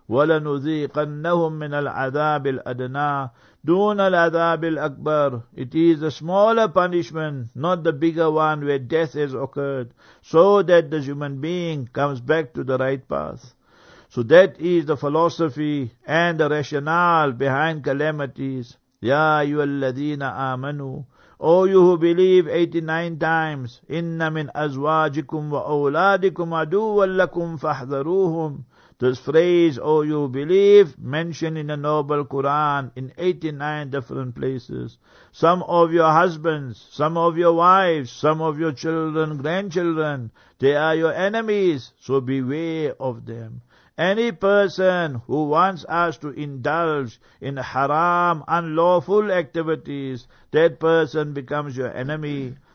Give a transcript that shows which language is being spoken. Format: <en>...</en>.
<ar>وَلَنُذِيقَنَّهُمْ مِنَ الْعَذَابِ الْأَدْنَى دُونَ الْعَذَابِ الْأَكْبَرِ.</ar> <en>It is a smaller punishment, not the bigger one where death has occurred, so that the human being comes back to the right path. So that is the philosophy and the rationale behind calamities.</en> <ar>يَا أَيُّهَا الَّذِينَ آمَنُوا.</ar> <en>O you who believe 89 times,</en> <ar>إِنَّ مِنْ أَزْوَاجِكُمْ وَأَوْلَادِكُمْ عَدُوًا لَكُمْ فَاحْذَرُوهُمْ.</ar> <en>This phrase, O you believe, mentioned in the Noble Quran in 89 different places. Some of your husbands, some of your wives, some of your children, grandchildren, they are your enemies, so beware of them. Any person who wants us to indulge in haram, unlawful activities, that person becomes your enemy.</en>